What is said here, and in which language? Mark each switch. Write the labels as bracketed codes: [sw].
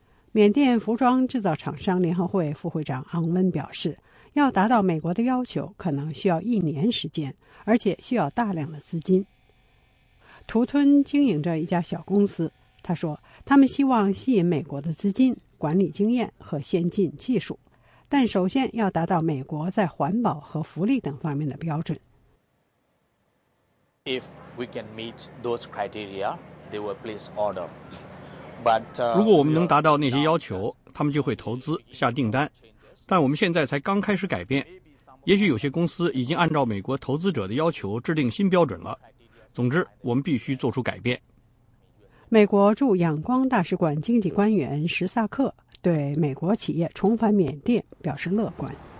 [zh] 缅甸服装制造厂商联合会副会长昂温表示，要达到美国的要求，可能需要一年时间，而且需要大量的资金。图吞经营着一家小公司，他说他们希望吸引美国的资金、管理经验和先进技术，但首先要达到美国在环保和福利等方面的标准。 [en] If we can meet those criteria, they will place order. But [zh] 如果我们能达到那些要求，他们就会投资下订单。但我们现在才刚开始改变，也许有些公司已经按照美国投资者的要求制定新标准了。总之，我们必须做出改变。美国驻仰光大使馆经济官员石萨克对美国企业重返缅甸表示乐观。